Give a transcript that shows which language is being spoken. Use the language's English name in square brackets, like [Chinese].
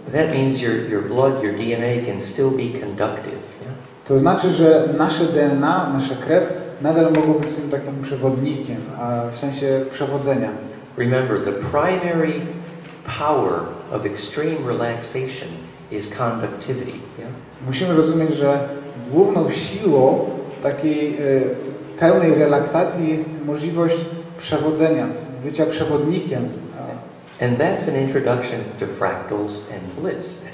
[English] That means your blood, your DNA can still be conductive. Yeah? [Polish] To znaczy, że nasze DNA, nasza krew nadal mogą być tym takim przewodnikiem, w sensie przewodzenia. [English] Remember, the primary power of extreme relaxation is conductivity. Yeah? [Polish] Musimy rozumieć, że główną siłą takiej pełnej relaksacji jest możliwość przewodzenia, bycia przewodnikiem. [English] And that's an introduction to fractals and bliss.